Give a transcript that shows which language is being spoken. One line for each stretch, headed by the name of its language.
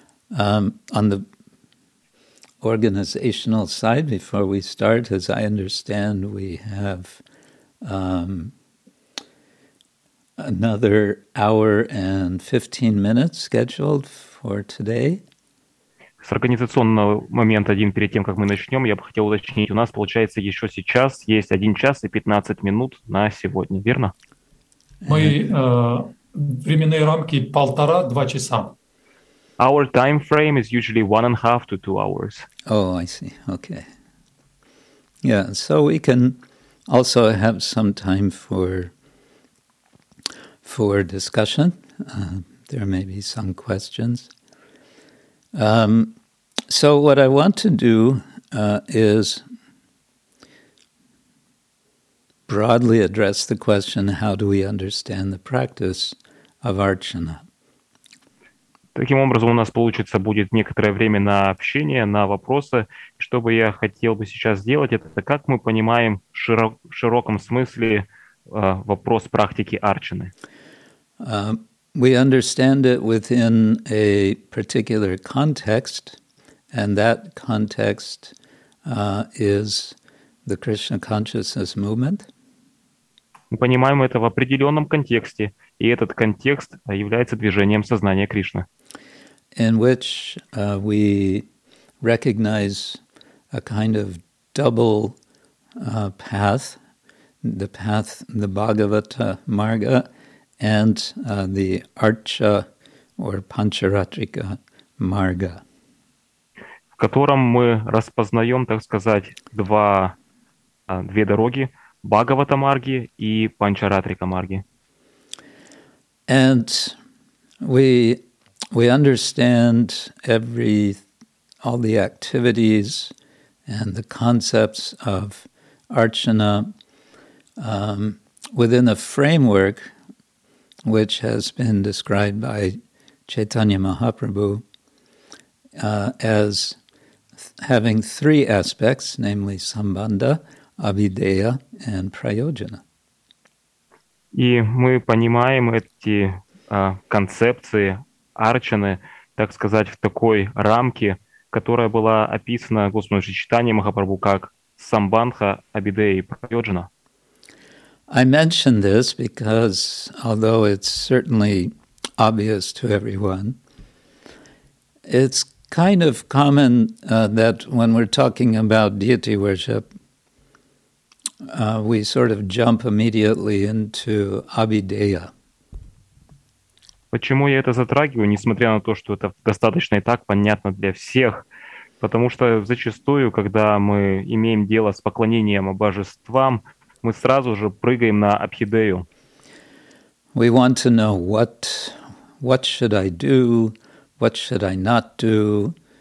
English: On the organizational side, before we start, as I understand, we have another hour and 15 minutes scheduled for today.
Russian: С организационного момента, один перед тем, как мы начнем, я бы хотел уточнить, у нас получается еще сейчас есть 1 час и 15 минут на сегодня, верно? Мы временные рамки 1.5-2 часа.
English: Our time frame is usually 1.5 to 2 hours. Oh, I see. Okay. Yeah, so we can also have some time for discussion. There may be some questions. So what I want to do is broadly address the question, how do we understand the practice of archana?
Russian: Таким образом, у нас получится будет некоторое время на общение, на вопросы. Что бы я хотел бы сейчас сделать, это как мы понимаем в широком смысле вопрос практики арчаны?
English: We understand it within a particular context, and that context is the Krishna consciousness movement.
Russian: Мы понимаем это в определенном контексте, и этот контекст является движением сознания Кришны.
English: In which we recognize a kind of double path, the path, the Bhagavata Marga, and the Archa or Pancharatrika Marga.
Russian: В котором мы распознаем, так сказать, две дороги, Бхагавата Марги и Панчаратрика Марги.
English: And we understand all the activities and the concepts of Archana within a framework which has been described by Chaitanya Mahaprabhu as having three aspects, namely sambandha, avideya, and prayojana.
Russian: И мы понимаем эти концепции арчаны, так сказать, в такой рамке, которая была описана Господом Чайтанья Махапрабху как самбандха, авидея и прайоджана.
English: I mention this because, although it's certainly obvious to everyone, it's kind of common that when we're talking about deity worship, we sort of jump immediately into Abhideya.
Russian: Почему я это затрагиваю, несмотря на то, что это достаточно и так понятно для всех? Потому что зачастую, когда мы имеем дело с поклонением божествам, мы сразу же прыгаем на Абхидею.
English: We want to know what should I do, what should I not do.